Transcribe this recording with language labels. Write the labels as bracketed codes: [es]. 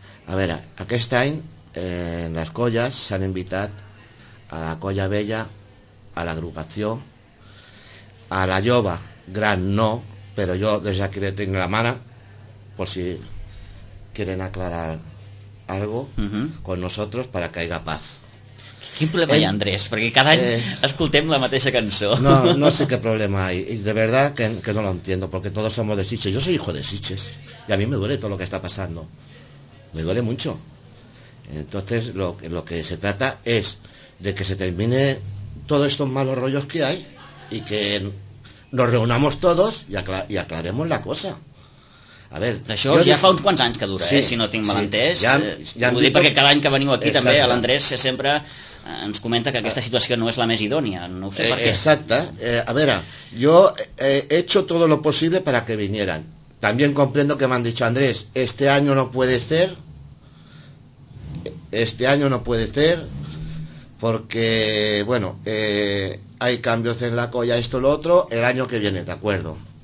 [ca] A veure, aquest any en les colles s'han invitat a la colla vella, a l'agrupació, a la jove, gran no, però jo des d'aquí tinc la mana, per si [es] quieren aclarar algo con nosotros para que haya paz. [ca] Quin problema hi ha, Andrés? Perquè cada any escoltem la mateixa cançó. [es] No sé qué problema hay. Y de verdad que no lo entiendo, porque todos somos de Sitges. Yo soy hijo de Sitges. Y a mí me duele todo lo que está pasando. Me duele mucho. Entonces, lo que se trata es de que se termine todos estos malos rollos que hay y que nos reunamos todos y aclaremos la cosa. [ca] A ver, això ja fa uns quants anys que dura, si no tinc mal entès. Vull dir, perquè cada any que veniu aquí també, l'Andrés sempre ens comenta que aquesta situació no és la més idònia. No sé per què. Exacte. A veure, jo [es] he hecho todo lo posible para que vinieran. También comprendo que me han dicho, Andrés, este año no puede ser, este año no puede ser, porque, bueno, hay cambios en la colla, esto, lo otro, el año que viene, de acuerdo.